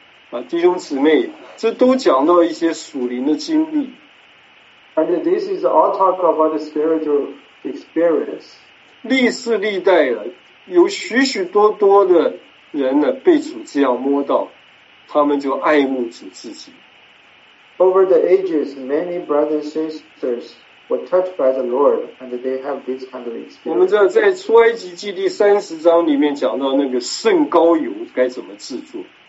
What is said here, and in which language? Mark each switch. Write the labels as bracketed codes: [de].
[zh] 啊，弟兄姊妹，这都讲到一些属灵的经历。 [en] And this is all talk about the spiritual experience. [zh] 历世历代有许许多多的人呢被主这样摸到，他们就爱慕主自己。 [en] Over the ages, many brothers and sisters were touched by the Lord, and they have this kind of experience. [zh] 我们知道，在出埃及记第三十章里面讲到那个圣膏油该怎么制作。